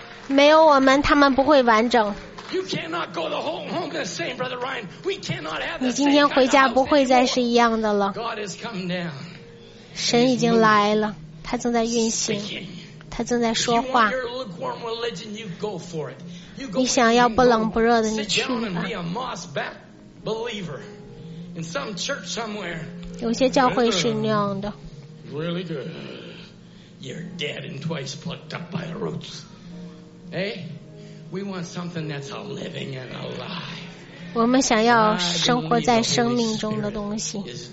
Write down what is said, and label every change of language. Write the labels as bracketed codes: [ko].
[zh] 没有我们，他们不会完整。 [en] You cannot go the whole home the same, Brother Ryan. We cannot have. [zh] 你今天回家不会再是一样的了。 [en] God has come down. [zh] 神已经来了，他正在运行，他正在说话。 [en] If you want your lukewarm religion, you go for it. You go. [zh] 你想要不冷不热的，你去吧。 [en] Sit down and be a mossback believer in some church somewhere. [zh] 有些教会是那样的。 [en] Really good. You're dead and twice plucked up by the roots. Hey, we want something that's a living and alive. [zh] 我们想要生活在生命中的东西。